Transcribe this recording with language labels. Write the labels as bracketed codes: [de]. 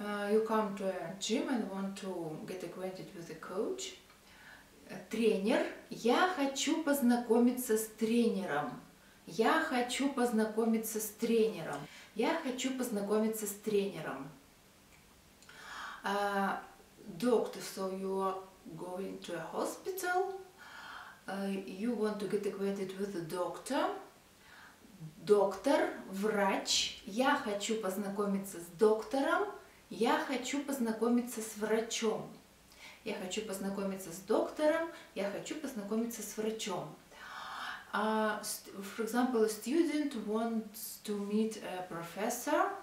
[en] You come to a gym and want to get acquainted with a coach. [ru] Тренер. Я хочу познакомиться с тренером. Я хочу познакомиться с тренером. Я хочу познакомиться с тренером. [en] Доктор. So you are going to a hospital. You want to get acquainted with a doctor. [ru] Доктор. Врач. Я хочу познакомиться с доктором. Я хочу познакомиться с врачом. Я хочу познакомиться с доктором. Я хочу познакомиться с врачом. [en] For example, a student wants to meet a professor.